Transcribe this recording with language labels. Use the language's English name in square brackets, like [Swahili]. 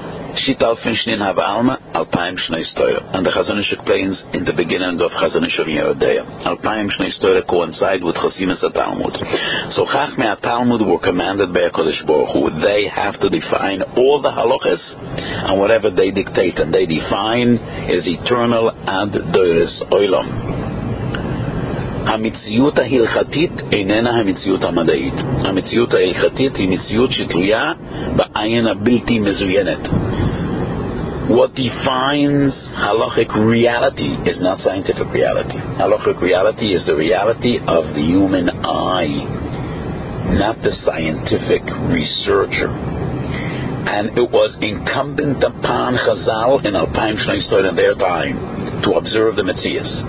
[Hebrew] Shital finshin hav alma alpaim shnei stoyer, [English] and the Chazon Ish explains in the beginning of Chazon Ish Yerodeya. Alpaim shnei stoyer coincide with Chasimus Talmud. So Chachmei Talmud were commanded by HaKadosh Baruch Hu. They have to define all the halachas, and whatever they dictate and they define is eternal [Hebrew] ad doiris oilam. המציאות ההלכתית איננה המציאות המדעית. המציאות ההלכתית היא מציאות שתלויה בעין הבלתי מזוינת. [English] What defines halachic reality is not scientific reality. Halachic reality is the reality of the human eye, not the scientific researcher. And it was incumbent upon Chazal in Alpaim Shnei Stoyer in their time to observe the Metzius.